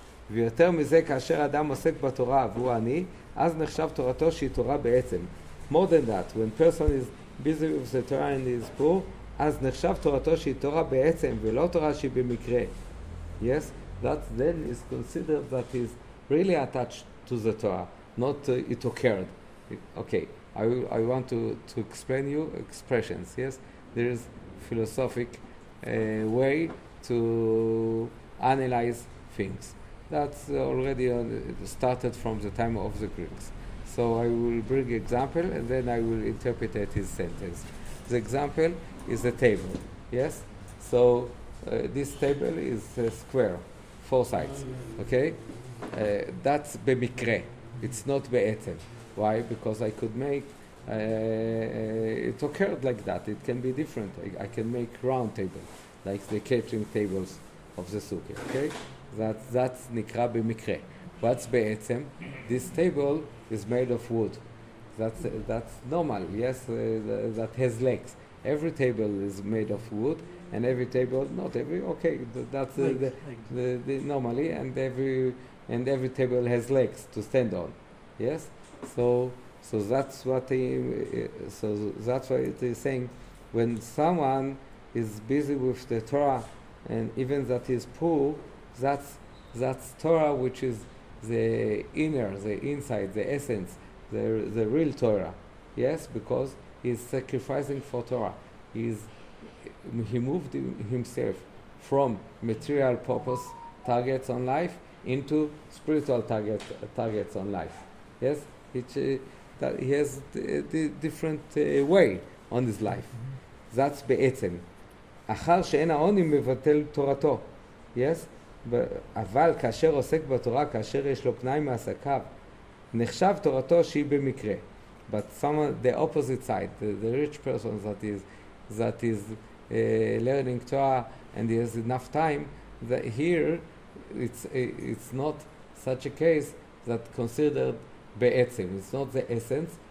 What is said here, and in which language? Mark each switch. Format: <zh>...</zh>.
<he>ויותר מזה, כאשר אדם עוסק בתורה והוא עני, אז נחשב תורתו שהיא תורה בעצם.</he> <en>More than that, when person is busy with the Torah and is poor,</en> <he>אז נחשב תורתו שהיא תורה בעצם ולא תורה שהיא במקרה.</he> <en>Yes, that then is considered that is really attached to the Torah, not it occurred. Okay, I want to explain you expressions. Yes, there is philosophic way to analyze things. That's already started from the time of the Greeks. So I will bring example and then I will interpret his sentence. The example is a table. Yes? So this table is square, four sides. Okay? That's במקרה. It's not בעצם. Why? Because I could make it occurred like that. It can be different. I can make round table, like the catering tables of the sukkah. Okay? That's נקרא במקרה. What's בעצם? This table is made of wood. That's normal. Yes? That has legs. Every table is made of wood, and every table, not every, okay, that's the normally, and every table has legs to stand on, yes? So that's what it is saying. When someone is busy with the Torah, and even that is poor, that's Torah, which is the inner, the inside, the essence, the real Torah, yes? Because he's sacrificing for Torah. He moved himself from material purpose targets on life into spiritual targets on life. Yes, he has a different way on his life. Mm-hmm. That's בעצם.</en> <he>אחר שאין העוני מבטל תורתו. Yes, אבל כאשר עוסק בתורה, כאשר יש לו פנאי מעסקיו, נחשב תורתו שהיא במקרה.</he> <en>But someone, the opposite side, the rich person that is learning Torah and he has enough time, that here it's not such a case that considered be'etzim. It's not the essence,</en>